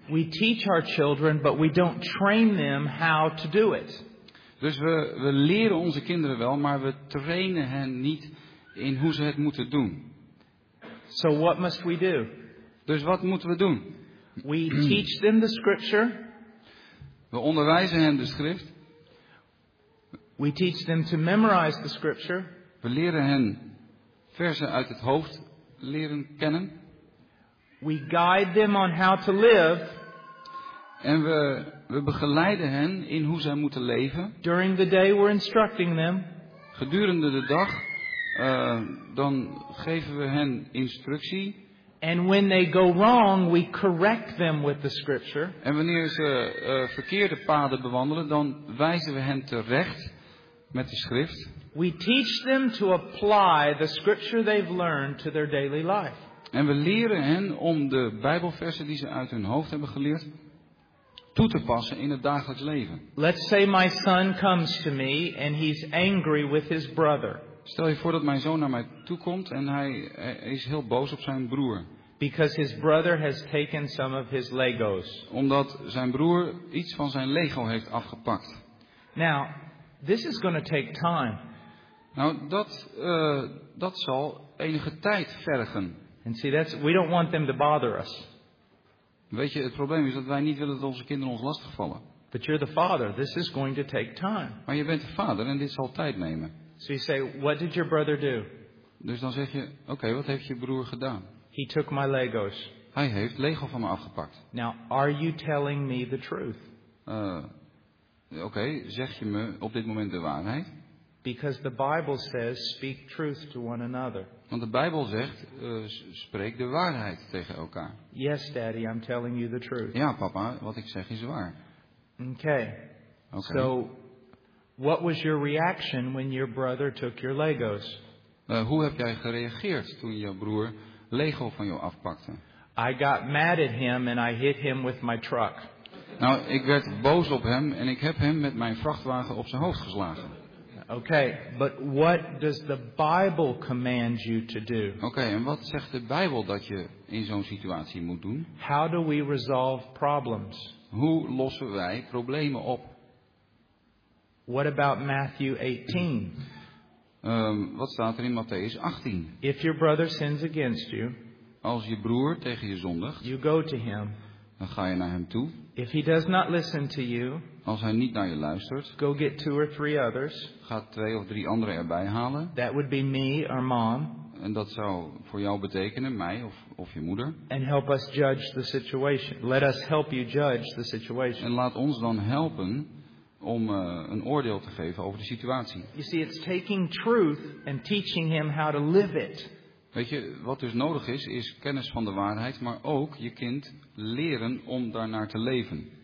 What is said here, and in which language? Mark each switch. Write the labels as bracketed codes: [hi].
[en] We teach our children, but we don't train them how to do it. [nl] Dus we leren onze kinderen wel, maar we trainen hen niet in hoe ze het moeten doen. [en] So what must we do? [nl] Dus wat moeten we doen? [en] We teach them the scripture. [nl] We onderwijzen hen de schrift. [en] We teach them to memorize the scripture. [nl] We leren hen versen uit het hoofd leren kennen. [en] We guide them on how to live. [nl] En we begeleiden hen in hoe zij moeten leven. [en] During the day we're instructing them. [nl] Gedurende de dag dan geven we hen instructie. [en] And when they go wrong, we correct them with the scripture. [nl] En wanneer ze verkeerde paden bewandelen, dan wijzen we hen terecht met de schrift. [en] We teach them to apply the scripture they've learned to their daily life. [nl] En we leren hen om de Bijbelversen die ze uit hun hoofd hebben geleerd toe te passen in het dagelijks leven. [en] Let's say my son comes to me and he's angry with his brother. [nl] Stel je voor dat mijn zoon naar mij toe komt en hij is heel boos op zijn broer. [en] Because his brother has taken some of his Legos. [nl] Omdat zijn broer iets van zijn Lego heeft afgepakt. [en] Now, this is going to take time. [nl] Nou, dat zal enige tijd vergen. [en] And see, that's, we don't want them to bother us. [nl] Weet je, het probleem is dat wij niet willen dat onze kinderen ons lastigvallen. [en] But you're the father. This is going to take time. [nl] Maar je bent de vader en dit zal tijd nemen. [en] So you say, what did your brother do? [nl] Dus dan zeg je, oké, wat heeft je broer gedaan? [en] He took my Legos. [nl] Hij heeft Lego van me afgepakt. [en] Now, are you telling me the truth? [nl] Oké, zeg je me op dit moment de waarheid? [en] Because the Bible says, speak truth to one another. [nl] Want de Bijbel zegt, spreek de waarheid tegen elkaar. [en] Yes, Daddy, I'm telling you the truth. [nl] Ja, papa, wat ik zeg is waar. [en] Okay. Okay. So, what was your reaction when your brother took your Legos? [nl] Hoe heb jij gereageerd toen je broer Lego van jou afpakte? [en] I got mad at him and I hit him with my truck. [nl] Nou, ik werd boos op hem en ik heb hem met mijn vrachtwagen op zijn hoofd geslagen. [en] Okay, but what does the Bible command you to do? [nl] Okay, en wat zegt de Bijbel dat je in zo'n situatie moet doen? [en] How do we resolve problems? [nl] Hoe lossen wij problemen op? [en] What about Matthew 18? [nl] Wat staat er in Matthäus 18? [en] If your brother sins against you, [nl] als je broer tegen je zondigt, [en] you go to him. [nl] Dan ga je naar hem toe. [en] If he does not listen to you, [nl] als hij niet naar je luistert, [en] go get two or three others. [nl] Ga twee of drie anderen erbij halen. [en] That would be me or mom. [nl] En dat zou voor jou betekenen, mij of je moeder. [en] And help us judge the situation. Let us help you judge the situation. [nl] En laat ons dan helpen om een oordeel te geven over de situatie. [en] You see, it's taking truth and teaching him how to live it. [nl] Weet je, wat dus nodig is, is kennis van de waarheid, maar ook je kind leren om daarnaar te leven.